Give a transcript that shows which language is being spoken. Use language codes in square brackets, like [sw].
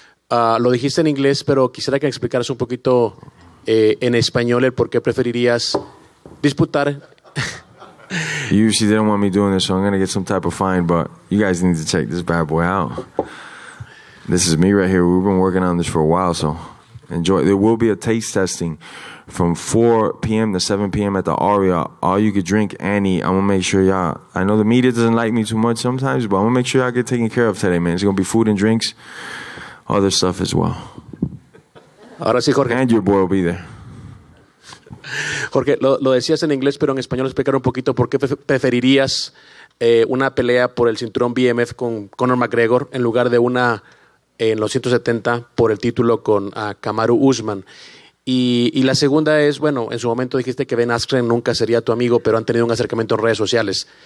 [es] Lo dijiste en inglés, pero quisiera que explicaras un poquito en español el por qué preferirías... Disputar. [en] You usually didn't want me doing this, so I'm going to get some type of fine, but you guys need to check this bad boy out. This is me right here. We've been working on this for a while, so enjoy. There will be a taste testing from 4 p.m. to 7 p.m. at the Aria. All you can drink, Annie. I'm going to make sure y'all... I know the media doesn't like me too much sometimes, but I'm going to make sure y'all get taken care of today, man. It's going to be food and drinks, other stuff as well. [es] Ahora sí, Jorge. [en] And your boy will be there. [es] Jorge, lo decías en inglés, pero en español explicar un poquito por qué preferirías una pelea por el cinturón BMF con Conor McGregor en lugar de una en los 170 por el título con Kamaru Usman. Y la segunda es, bueno, en su momento dijiste que Ben Askren nunca sería tu amigo, pero han tenido un acercamiento en redes sociales.